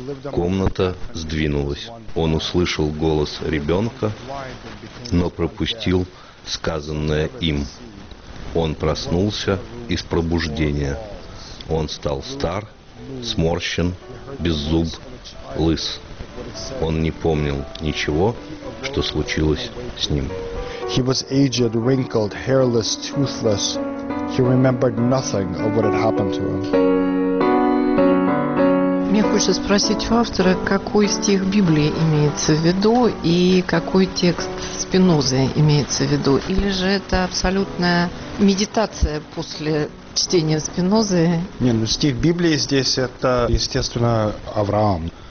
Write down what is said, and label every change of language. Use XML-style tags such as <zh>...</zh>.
<ru>Комната сдвинулась. Он услышал голос ребенка, но пропустил сказанное им. Он проснулся из пробуждения. Он стал стар, сморщен, беззуб, лыс. Он не помнил ничего, что случилось с ним.</ru> <en>He was aged, wrinkled, hairless, toothless. He remembered nothing of what had happened to him.</en> <ru>Мне хочется спросить у автора, какой стих Библии имеется в виду и какой текст Спинозы имеется в виду, или же это абсолютная медитация после чтения Спинозы? Не, ну стих Библии здесь это, естественно, Авраам.</ru>